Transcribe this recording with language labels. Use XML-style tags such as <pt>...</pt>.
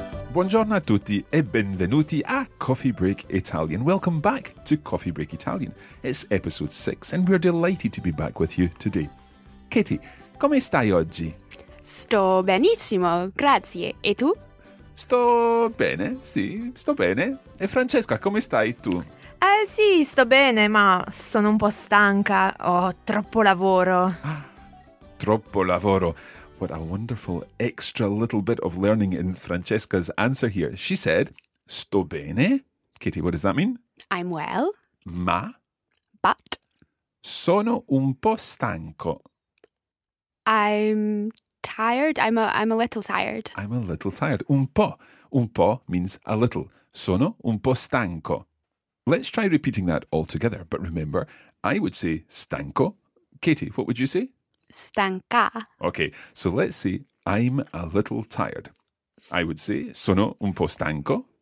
<it>Buongiorno a tutti e benvenuti a Coffee Break Italian.</it> <en>Welcome back to Coffee Break Italian. It's episode 6 and we're delighted to be back with you today.</en> <it>Katie, come stai oggi? Sto benissimo, grazie. E tu? Sto bene, sì, sto bene. E Francesca, come stai tu? Sì, sto bene, ma sono un po' stanca. Ho troppo lavoro. Troppo lavoro.</it> <en>What a wonderful extra little bit of learning in Francesca's answer here. She said,</en> <it>sto bene.</it> <en>Katie, what does that mean? I'm well.</en> <it>Ma.</it> <en>But.</en> <it>Sono un po' stanco.</it> <en>I'm tired. I'm a little tired. I'm a little tired.</en> <it>Un po'. Un po'</it> <en>means a little.</en> <it>Sono un po' stanco.</it> <en>Let's try repeating that all together. But remember, I would say stanco. Katie, what would you say?</en> <it>Stanca.</it> <en>Okay, so let's say I'm a little tired. I would say</en> <it>sono un po' stanco.</it>